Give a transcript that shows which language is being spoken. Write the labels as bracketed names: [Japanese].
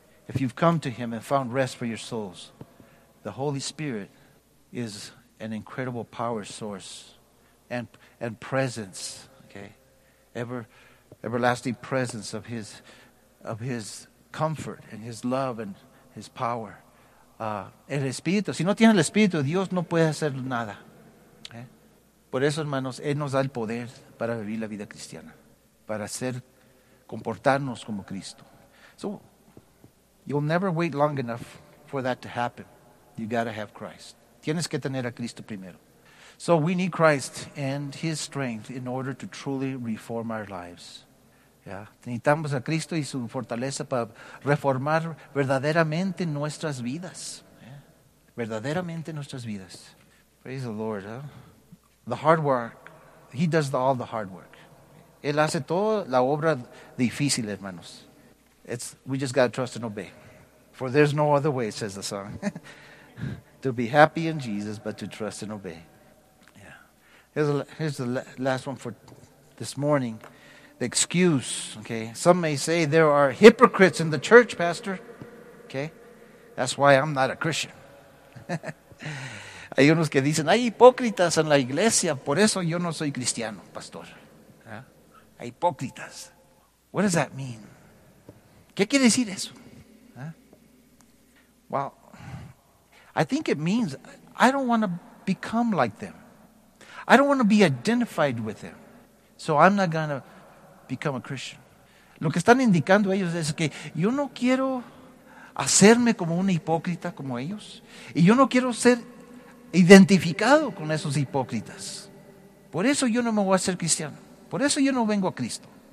[English] If you've come to him and found rest for your souls. The Holy Spirit is an incredible power source and presence, okay? Everlasting presence of his comfort and his love and his power. [Spanish] El Espíritu. Si no tiene el Espíritu de Dios, no puede hacer nada. ¿Eh? Por eso, hermanos, Él nos da el poder para vivir la vida cristiana. Para hacer, comportarnos como Cristo. [English] So, you'll never wait long enough for that to happen. You gotta have Christ. [Spanish] Tienes que tener a Cristo primero. [English] So, we need Christ and His strength in order to truly reform our lives. [Spanish] Yeah. Necesitamos a Cristo y su fortaleza para reformar verdaderamente nuestras vidas. Yeah. Verdaderamente nuestras vidas. [English] Praise the Lord. Huh? The hard work. He does all the hard work. [Spanish] Él hace toda la obra difícil, hermanos. [English] We just got to trust and obey. For there's no other way, says the song. To be happy in Jesus, but to trust and obey. Yeah. Here's the last one for this morning. The excuse, okay? Some may say there are hypocrites in the church, Pastor. Okay? That's why I'm not a Christian. [Spanish] Hay unos que dicen, hay hipócritas en la iglesia, por eso yo no soy cristiano, Pastor. Huh? Hay hipócritas. [English] What does that mean? [Spanish] ¿Qué quiere decir eso? Huh? [English] Well, I think it means I don't want to become like them. I don't want to be identified with them. So I'm not going to become a Christian. [Spanish] Lo que están indicando ellos es que yo no quiero hacerme como un hipócrita como ellos. Y yo no quiero ser identificado con esos hipócritas. Por eso yo no me voy a hacer cristiano. Por eso yo no vengo a Cristo.